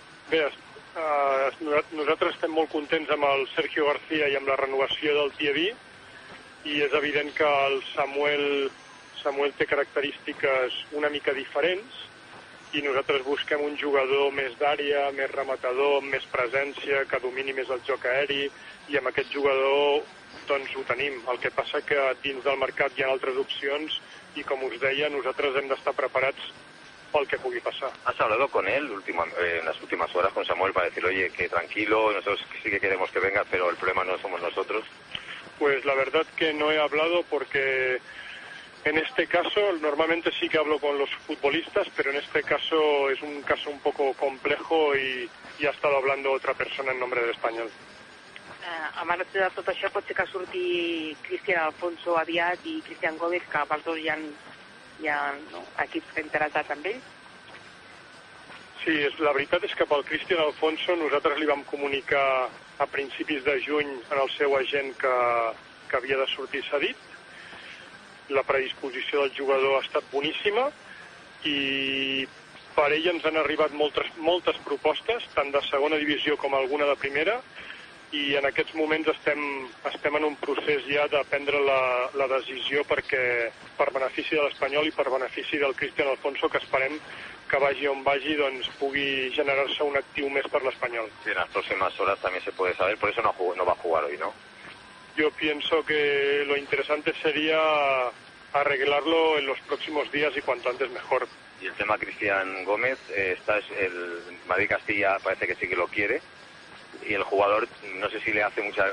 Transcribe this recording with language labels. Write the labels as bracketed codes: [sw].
[ca] Bé, nosaltres estem molt contents amb el Sergio García i amb la renovació del Tiavi, i és evident que el Samuel té característiques una mica diferents, i nosaltres busquem un jugador més d'àrea, més rematador, amb més presència, que domini més el joc aeri, i amb aquest jugador doncs ho tenim. El que passa que dins del mercat hi ha altres opcions, i com us deia, nosaltres hem d'estar preparats pel que pugui passar. [es] ¿Has hablado con él en las últimas horas, con Samuel, para decir, oye, que tranquilo, nosotros sí que queremos que venga, pero el problema no somos nosotros? Pues la verdad que no he hablado, porque en este caso, normalmente sí que hablo con los futbolistas, pero en este caso es un caso un poco complejo y ha estado hablando otra persona en nombre del Español. [ca] A marge de tot això, pot ser que surti Cristian Alfonso aviat i Cristian Gómez, que els dos hi ha no, equips interessats amb ells? Sí, la veritat és que pel Cristian Alfonso nosaltres li vam comunicar a principis de juny al seu agent que havia de sortir cedit. La predisposició del jugador ha estat boníssima i per ell ens han arribat moltes propostes, tant de segona divisió com alguna de primera, i en aquests moments estem en un procés ja de prendre la decisió per benefici de l'Espanyol i per benefici del Cristian Alfonso, que esperem que vagi on vagi, doncs pugui generar-se un actiu més per l'Espanyol. En les pròximes hores també [es] se puede saber, por eso no va a jugar hoy, ¿no? Yo pienso que lo interesante sería arreglarlo en los próximos días y cuanto antes mejor. Y el tema Cristian Gómez, está el Madrid Castilla parece que sí que lo quiere, y el jugador, no sé si le hace mucha...